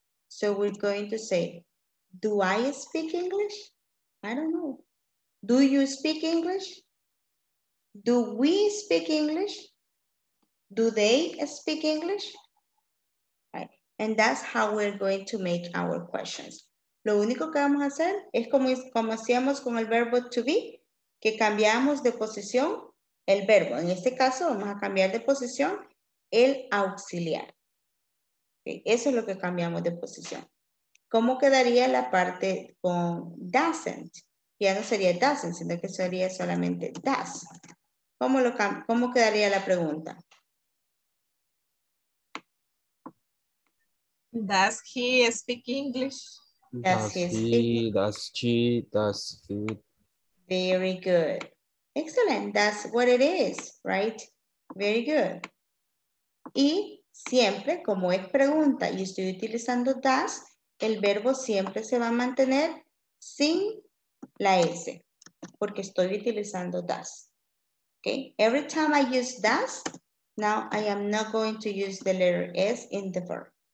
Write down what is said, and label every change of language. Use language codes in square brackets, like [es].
[en] So we're going to say, do I speak English? I don't know. Do you speak English? Do we speak English? Do they speak English? Right. And that's how we're going to make our questions. [es] Lo único que vamos a hacer es como hacíamos con el verbo to be, que cambiamos de posición el verbo. En este caso, vamos a cambiar de posición el auxiliar. Okay. Eso es lo que cambiamos de posición. ¿Cómo quedaría la parte con doesn't? Ya no sería doesn't, sino que sería solamente does. ¿Cómo quedaría la pregunta? [en] Does he speak English? Does he speak? Very good. Excellent. That's what it is, right? Very good. [es] Y siempre, como es pregunta y estoy utilizando does, el verbo siempre se va a mantener sin la S, porque estoy utilizando does. [en] Okay? Every time I use does, now I am not going to use the letter S in the verb.